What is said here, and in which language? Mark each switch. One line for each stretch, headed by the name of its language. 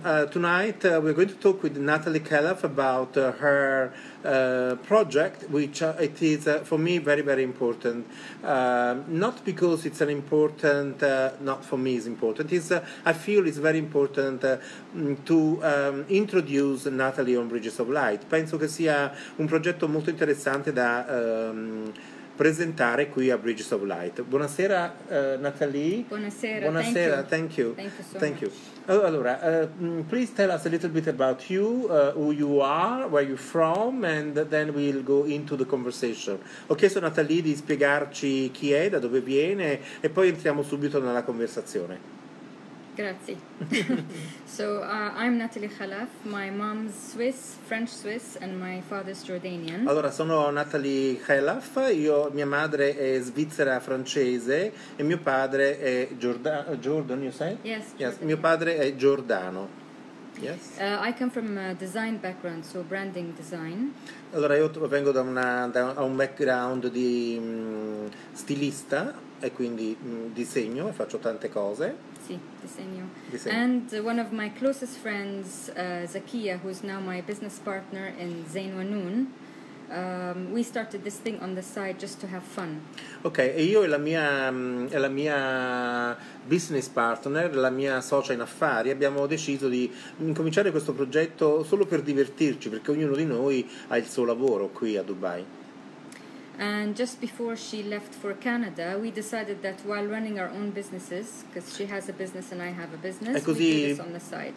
English: Tonight we're going to talk with Natalie Khalaf about her project, which it is for me very, very important. Not because it's an important, not for me it's important, I feel it's very important to introduce Natalie on Bridges of Light.
Italian: Penso che sia un progetto molto interessante da presentare qui a Bridges of Light. Buonasera Natalie. Buonasera. Buonasera,
English: thank you.
Italian: Allora,
English: please tell us a little bit about you, who you are, where you're from, and then we'll go into the conversation.
Italian: Ho chiesto a Natalie di spiegarci chi è, da dove viene, e poi entriamo subito nella conversazione. Grazie.
English: So, I'm Natalie Khalaf, my mom's Swiss, French Swiss, and my father's Jordanian.
Italian: Allora, sono Natalie Khalaf, io, mia madre è svizzera francese e mio padre è Jordan,
English: you say? Yes. Yes,
Italian: mio padre è giordano. Yes.
English: I come from a design background, so branding design.
Italian: Allora, io vengo da un background di stilista e quindi disegno e faccio tante cose. Disegno.
English: And one of my closest friends, Zakia, who is now my business partner in Zain Wanoon, we started this thing on the side just to have fun.
Italian: Okay, e io e la mia business partner, la mia socia in affari, abbiamo deciso di incominciare questo progetto solo per divertirci, perché ognuno di noi ha il suo lavoro qui a Dubai.
English: And just before she left for Canada, we decided that while running our own businesses, because she has a business and I have a business, we do this on the side.